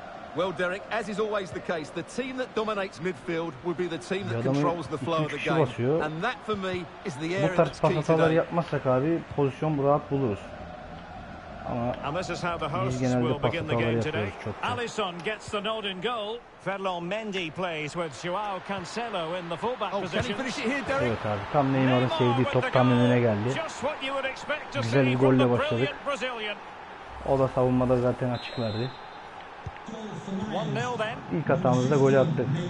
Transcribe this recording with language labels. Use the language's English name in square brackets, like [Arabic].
[English] Well, Derek, as is always the case, the team that dominates midfield will be the team that controls the flow of the game. And that for me is the area. [Turkish] Bu tarz pasataları yapmazsak abi pozisyon rahat buluruz. Ama biz genelde pasataları yapıyoruz çok. [English] Alisson gets the nod in goal. Ferland Mendy plays with Joao Cancelo in the fullback position. [Turkish] Evet abi, tam Neymar'ın sevdiği top tam önüne geldi. Güzel bir golle başladık. O da savunmada zaten açık verdi. [English] 1-0 then. [Turkish] İlk hatamızda gol attık.